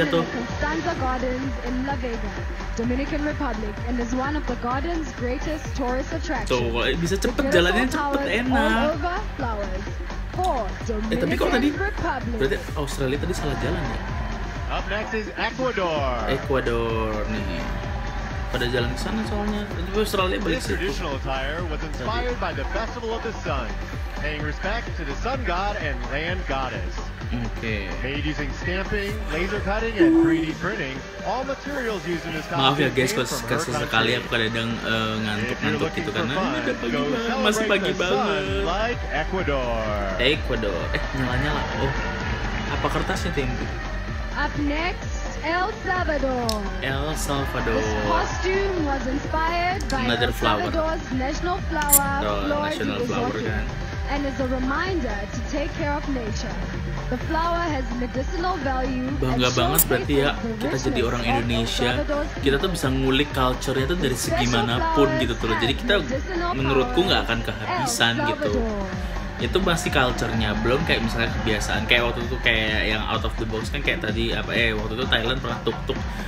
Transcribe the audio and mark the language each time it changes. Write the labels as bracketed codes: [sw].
[en] Constanza Gardens in La Vega, Dominican Republic, and is one of the garden's greatest tourist attractions. [id] Tuh, bisa cepet jalannya, cepet enak. [en] Over flowers for Dominican Republic. [id] Berarti Australia tadi salah jalan ya? [en] Up next is Ecuador. [id] Ecuador nih. Pada jalan ke sana soalnya. Australia balik situ. [en] This traditional attire was inspired by the Festival of the Sun, paying respect to the sun god and land goddess. Okay. Made using stamping, laser cutting, and 3D printing, all materials used in this costume. [id] Maaf ya guys, kasus sekali aku kadang ngantuk-ngantuk gitu karena masih pagi banget. [en] Like Ecuador. [id] Ecuador. Nyala-nyala. Oh, apa kertasnya tinggi? [en] Up next, El Salvador. El Salvador. This costume was inspired by another flower. Salvador's national flower, national flower kan. And is a reminder to take care of nature. The flower has medicinal value. [id] Bangga banget berarti ya kita jadi orang Indonesia. Kita tuh bisa ngulik culture-nya tuh dari segi manapun gitu tuh. Jadi kita menurutku enggak akan kehabisan gitu. Itu masih culture-nya, belum kayak misalnya kebiasaan. Kayak waktu itu kayak yang [en] out of the box [id] kan kayak tadi apa waktu itu Thailand pernah tuk-tuk.